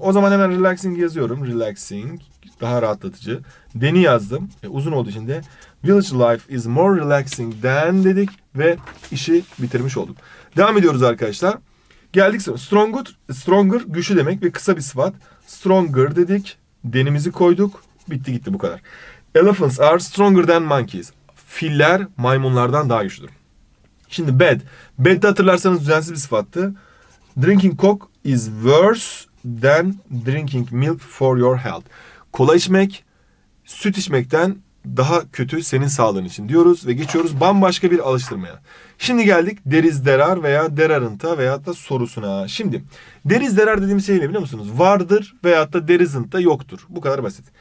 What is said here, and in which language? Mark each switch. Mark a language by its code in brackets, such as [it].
[tr] O zaman hemen relaxing yazıyorum. Relaxing. Daha rahatlatıcı. Den'i yazdım. Uzun olduğu için de [en] village life is more relaxing than [tr] dedik ve işi bitirmiş olduk. Devam ediyoruz arkadaşlar. Geldik sonra. Stronger, stronger güçlü demek ve kısa bir sıfat. Stronger dedik. Den'imizi koyduk. Bitti gitti, bu kadar. [en] Elephants are stronger than monkeys. [tr] Filler maymunlardan daha güçlüdür. Şimdi bad. Bad'de hatırlarsanız düzensiz bir sıfattı. [en] Drinking coke is worse than drinking milk for your health. [tr] Kola içmek, süt içmekten daha kötü senin sağlığın için diyoruz ve geçiyoruz bambaşka bir alıştırmaya. Şimdi geldik there is there are veya there aren't veya da sorusuna. Şimdi there is there are dediğim şey ne biliyor musunuz? Vardır veyahut da there isn't da yoktur. Bu kadar basit.